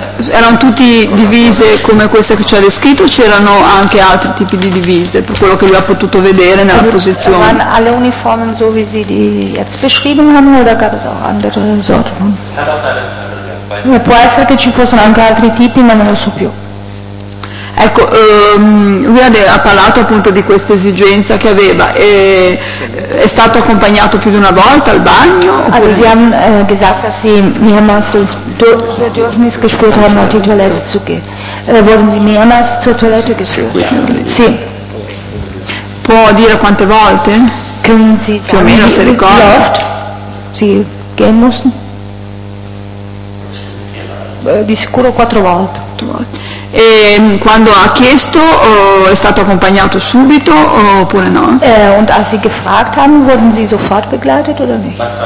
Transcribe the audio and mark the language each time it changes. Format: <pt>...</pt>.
<it>Erano tutti divise come queste che ci ha descritto, c'erano anche altri tipi di divise, per quello che lui ha potuto vedere nella posizione.</it> <de>Waren alle uniformen so wie sie die jetzt beschrieben haben oder gab es auch andere Sorten?</de> <it>Può essere che ci fossero anche altri tipi, ma non lo so più. Ecco, lui ha parlato appunto di questa esigenza che aveva. È stato accompagnato più di una volta al bagno?</it> <de>Also sie haben gesagt, dass sie mehrmals das Bedürfnis gespürt haben, auf die Toilette zu gehen. Wurden sie mehrmals zur Toilette geführt?</de> <it>Sì. Può dire quante volte?</it> <de>Können sie</de> <it>più o meno se ricorda?</it> <de>Wie oft sie gehen mussten?</de> <it>Di sicuro quattro volte. E quando ha chiesto è stato accompagnato subito oppure no?</it> <de>Und als sie gefragt haben, wurden sie sofort begleitet oder nicht?</de>